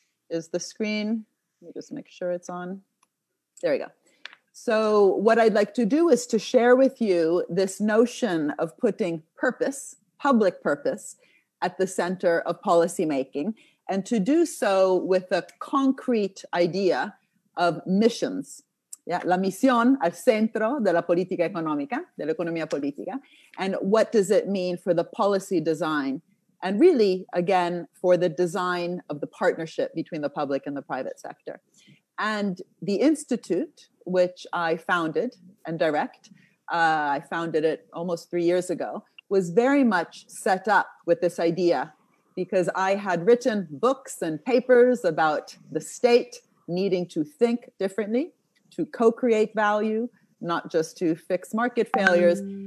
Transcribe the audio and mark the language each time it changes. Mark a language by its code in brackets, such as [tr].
[en] Is the screen, let me just make sure it's on. There we go. So what I'd like to do is to share with you this notion of putting purpose, public purpose, at the center of policymaking, and to do so with a concrete idea of missions. [es] Yeah, la misión al centro de la política económica, de la economía política. [en] And what does it mean for the policy design? And really, again, for the design of the partnership between the public and the private sector. And the Institute, which I founded and direct, I founded it almost 3 years ago, was very much set up with this idea because I had written books and papers about the state needing to think differently, to co-create value, not just to fix market failures.